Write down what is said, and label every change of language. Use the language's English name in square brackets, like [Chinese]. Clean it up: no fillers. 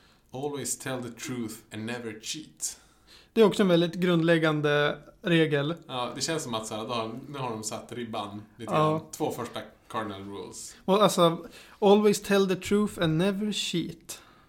[English] Always tell the truth and never cheat. [Swedish] Det är också en väldigt grundläggande regel. Ja, det känns som att så här, nu har de satt ribban lite. Ja. Två första cardinal rules. [English] Well, alltså, always tell the truth and never cheat.